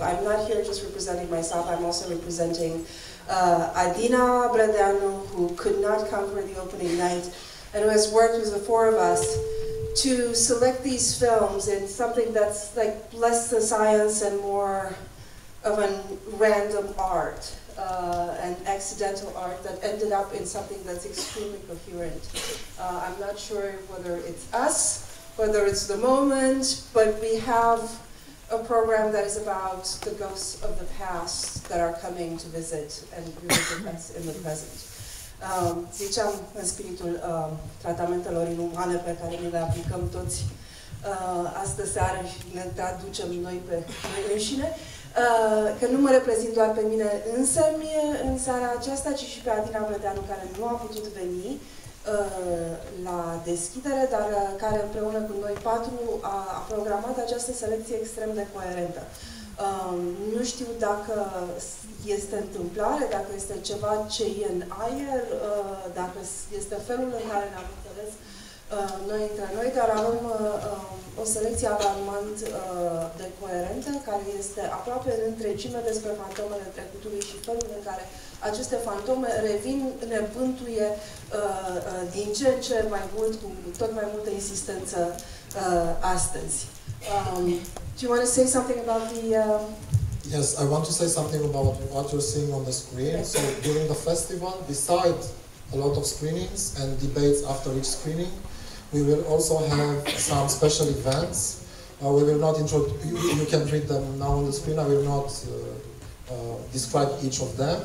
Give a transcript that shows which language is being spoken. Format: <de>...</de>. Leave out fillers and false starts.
<en>I'm not here just representing myself, I'm also representing Adina Bradeanu, who could not come for the opening night, and who has worked with the four of us to select these films in something that's like less the science and more of a random art, an accidental art that ended up in something that's extremely coherent. I'm not sure whether it's us, whether it's the moment, but we have a program that is about the ghosts of the past that are coming to visit and us in the present.</en> <ro>Ziceam în spiritul tratamentelor inumane pe care ne le aplicăm toți astă seară și ne traducem noi pe noi înșine, că nu mă reprezint doar pe mine însă mie în seara aceasta, ci și pe Adina Bradeanu, care nu a putut veni la deschidere, dar care împreună cu noi patru a programat această selecție extrem de coerentă. Nu știu dacă este întâmplare, dacă este ceva ce e în aer, dacă este felul în care ne-am înțeles noi între noi, dar avem o selecție alarmant de coerentă, care este aproape în întregime despre fantomele trecutului și felul în care aceste fantome revin, ne bântuie din ce în ce mai mult, cu tot mai multă insistență astăzi.</ro> <en>Do you want to say something about the... Yes, I want to say something about what you're seeing on the screen. So during the festival, besides a lot of screenings and debates after each screening, we will also have some special events. We will not you can read them now on the screen. I will not describe each of them.</en>